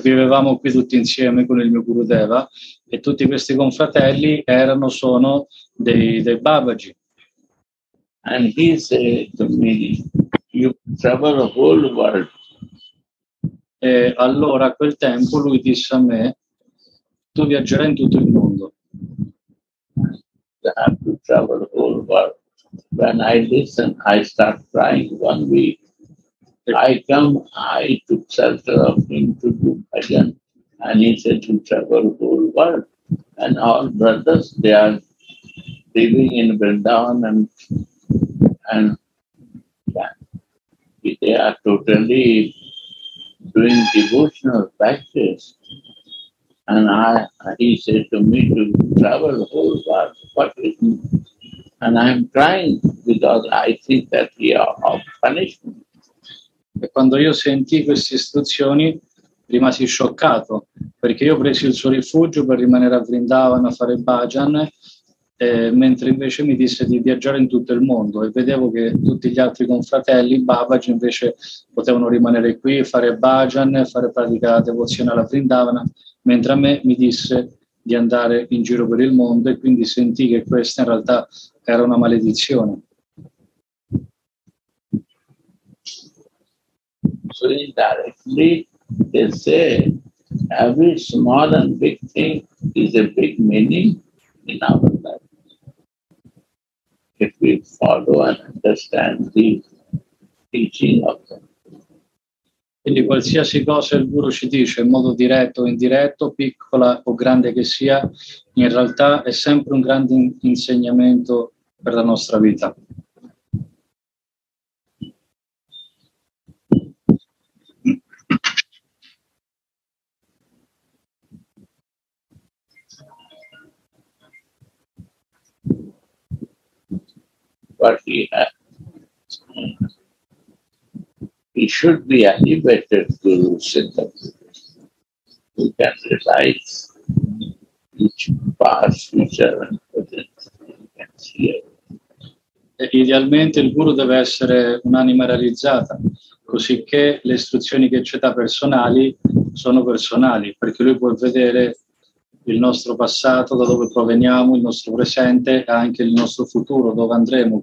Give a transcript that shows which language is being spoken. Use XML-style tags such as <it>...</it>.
<it>Vivevamo qui tutti insieme con il mio Gurudeva e tutti questi confratelli erano, sono dei Babaji.</it> <en>And he said to me, you travel the whole world.</en> <it>E allora a quel tempo lui disse a me, tu viaggerai in tutto il mondo.</it> <en>I have to travel the whole world. When I listen, I start crying 1 week. I come, I took shelter of him to do bhajan. And he said, you travel the whole world. And all brothers, they are living in Vrindavan and yeah, they are totally doing devotional practice. And he said to me to travel the whole world, what is it? And I'm crying because I think that he has punished me.</en> <it>E quando io sentii queste istruzioni, rimasi scioccato, perché io presi il suo rifugio per rimanere a Vrindavan a fare bhajan, mentre invece mi disse di viaggiare in tutto il mondo e vedevo che tutti gli altri confratelli Babaji invece potevano rimanere qui e fare bhajan, fare pratica devozione alla Vrindavana, mentre a me mi disse di andare in giro per il mondo e quindi sentì che questa in realtà era una maledizione.</it> <en>So indirectly they say every small and big thing is a big meaning in our life. If we follow and understand the teaching of them.</en> <it>Quindi qualsiasi cosa il Guru ci dice, in modo diretto o indiretto, piccola o grande che sia, in realtà è sempre un grande insegnamento per la nostra vita.</it> <en>But he should be elevated to Siddha. He can realize each past, future, and present. He can see it.</en> <it>E idealmente il guru deve essere un'anima realizzata, cosicché le istruzioni che ci dà personali sono personali, perché lui può vedere il nostro passato, da dove proveniamo, il nostro presente e anche il nostro futuro, dove andremo.</it>